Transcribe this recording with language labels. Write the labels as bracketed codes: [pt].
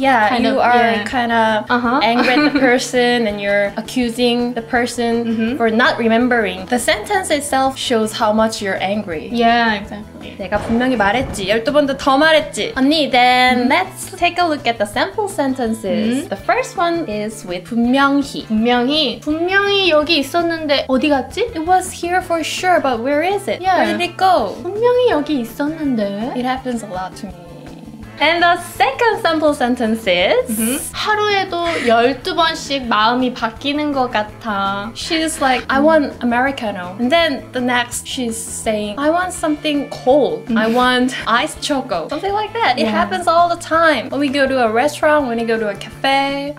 [en] Yeah, you are kind of angry at the person and you're accusing the person for not remembering. The sentence itself shows how much you're angry. Yeah, exactly. [ko] 내가 분명히 말했지. 12번도 더 말했지. [en] 언니, then let's take a look at the sample sentences. Mm-hmm. The first one is with 분명히. [ko] 분명히. 분명히 여기 있었는데 어디 갔지? [en] It was here for sure, but where is it? Yeah. Where did it go? [ko] 분명히 여기 있었는데. [en] It happens a lot to me. And the second sample sentence is [ko] 하루에도 12번씩 마음이 바뀌는 것 같아. [en] She's like, I want Americano. And then the next, she's saying, I want something cold. I want iced choco. Something like that. Yeah. It happens all the time. When we go to a restaurant, when we go to a cafe.